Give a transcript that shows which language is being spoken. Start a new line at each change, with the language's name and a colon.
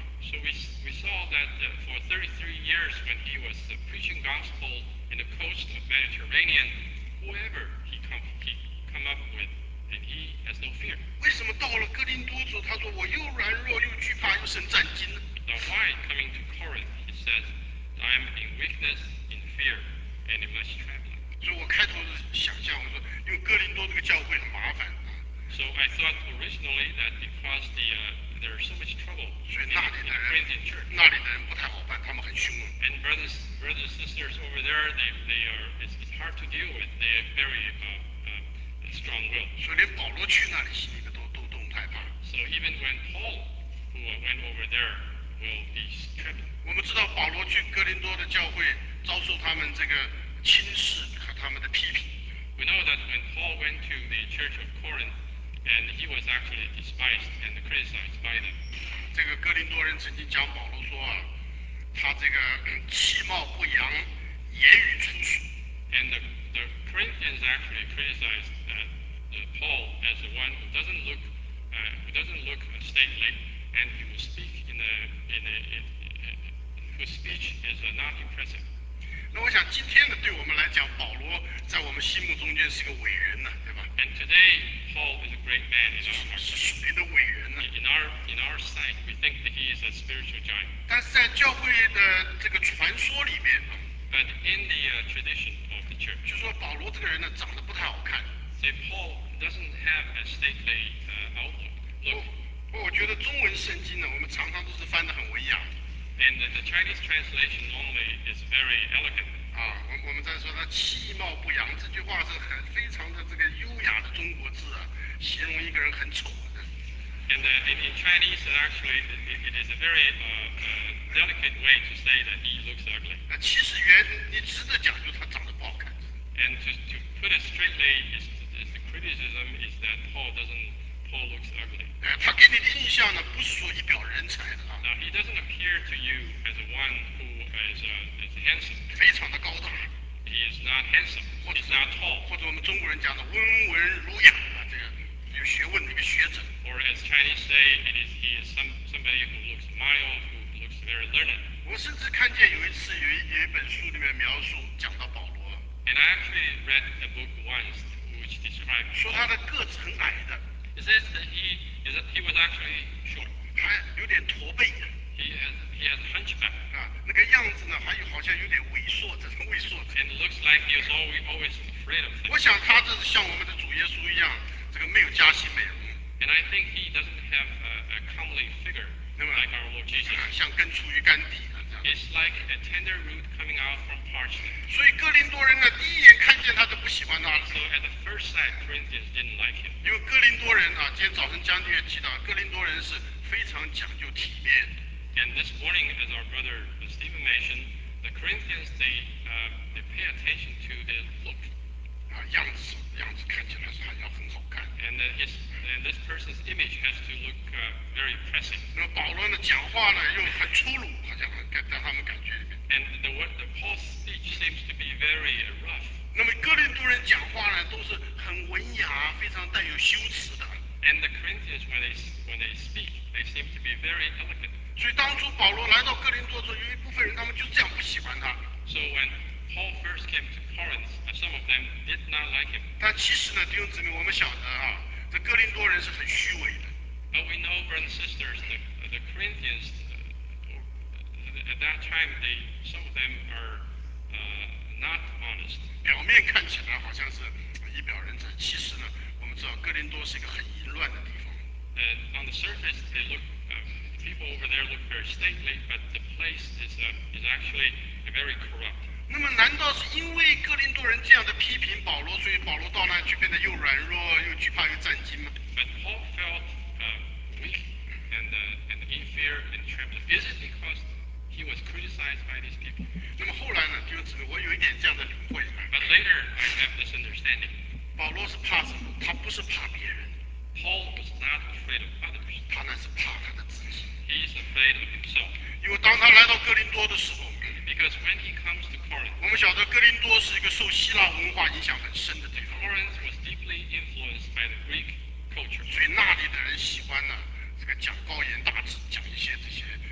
English: So we saw that for 33 years when he was preaching gospel in the coast of Mediterranean, whoever he come up with, and he has no fear.
Chinese: 为什么到了哥林多时，他说我又软弱又惧怕又甚战惊呢？
English: Now why coming to Corinth, he says, I am in weakness, in fear, and in much trembling.
Chinese: 所以我开头想象，我说因为哥林多这个教会很麻烦。
English: So I thought originally that because there is so much trouble in the Corinthian church.
Chinese: 那里的人不太好办，他们很凶。
English: And brothers and sisters over there, they are, it's hard to deal with. They are very strong willed.
Chinese: 所以连保罗去那里，心里面都害怕。
English: So even when Paul, who went over there, will be trembling.
Chinese: 我们知道保罗去哥林多的教会，遭受他们这个轻视和他们的批评。
English: We know that when Paul went to the church of Corinth,And he was actually despised and criticized by them.
Chinese: 这个哥林多人曾经讲保罗说啊，他这个其貌不扬，言语粗俗。
English: And the Corinthians actually criticized Paul as the one who doesn't look stately, and he will speak in whose speech is not impressive.
Chinese: 那我想今天呢，对我们来讲，保罗在我们心目中间是个伟人呢，对吧？
English: And today, Paul is a great man. In our,
Chinese: 是谁的伟人呢？
English: In our sight, we think that he is a spiritual giant.
Chinese: 但是在教会的这个传说里面呢，
English: But in the tradition of the church,
Chinese: 就说保罗这个人呢，长得不太好看。
English: Say Paul doesn't have a stately outlook.
Chinese: 我觉得中文圣经呢，我们常常都是翻得很文雅。
English: And the Chinese translation normally is very elegant.
Chinese: 啊，我们在说他其貌不扬，这句话是很非常的这个优雅的中国字啊，形容一个人很丑的。
English: And in Chinese, actually, it is a very delicate way to say that he looks ugly.
Chinese: 那其实原你直的讲，就是他长得不好看。
English: And to put it straightly, is the criticism is that Paul looks ugly.
Chinese: 他给你的印象呢，不是说一表人才的。
English: Now he doesn't appear to you as the one who is handsome.
Chinese: 非常的高大。
English: He is not handsome. He's not tall.
Chinese: 或者我们中国人讲的温文儒雅啊，这个有学问的一个学者。
English: Or as Chinese say, he is somebody who looks mild, who looks very learned.
Chinese: 我甚至看见有一次有一本书里面描述讲到保罗。
English: And I actually read a book once which described.
Chinese: 说他的个子很矮的。
English: It says that he was actually short.
Chinese: 有点驼背。
English: He has hunchback.
Chinese: 那个样子呢，还有好像有点萎缩，这种萎缩。
English: And looks like he is always afraid of things.
Chinese: 我想他这是像我们的主耶稣一样，这个没有加薪美容。
English: And I think he doesn't have a comely figure like our Lord Jesus.
Chinese: 像根出于干地的。
English: It's like a tender root coming out from parchment.
Chinese: 所以哥林多人呢，第一眼看见他都不喜欢他了。
English: So at the first sight, Corinthians didn't like him.
Chinese: 因为哥林多人啊，今天早晨江弟兄提到，哥林多人是。非常讲究体面。
English: And this morning, as our brother Stephen mentioned, the Corinthians they pay attention to the look.
Chinese: 样子看起来是还要很好看。
English: And this person's image has to look very impressive.
Chinese: 那保罗呢，讲话呢又很粗鲁，很
English: And the word, the Paul's speech seems to be very rough.
Chinese: 那么哥林多人讲话呢，都是很文雅，非常带有修辞的。
English: And the Corinthians, when they speak, they seem to be very elegant.
Chinese: 所以当初保罗来到哥林多的时候，有一部分人他们就这样不喜欢他。
English: So when Paul first came to Corinth, some of them did not like him.
Chinese: 但其实呢，弟兄姊妹，我们晓得啊，这哥林多人是很虚伪的。
English: But we know, brothers and sisters, the Corinthians, at that time, some of them are not honest.
Chinese: 表面看起来好像是一表人才，其实呢，我们知道哥林多是一个很淫乱的地方。
English: On the surface, they look, people over there look very stately, but the place is actually very corrupt.
Chinese: 那么难道是因为哥林多人这样的批评保罗，所以保罗到那去变得又软弱又惧怕又战惊吗？
English: But Paul felt weak and in fear and trembled. Is it because he was criticized by these people?
Chinese: 那么后来呢，弟兄姊妹，我有一点这样的领会。
English: But later, I have this understanding.
Chinese: 保罗是怕什么？他不是怕别人。
English: Paul was not afraid of others.
Chinese: 他那是怕他的自己。
English: He is afraid of himself.
Chinese: 因为当他来到哥林多的时候。
English: Because when he comes to Corinth.
Chinese: 我们晓得哥林多是一个受希腊文化影响很深的地方。
English: Corinth was deeply influenced by the Greek culture.
Chinese: 所以那里的人喜欢呢，这个讲高言大志，讲一些这些。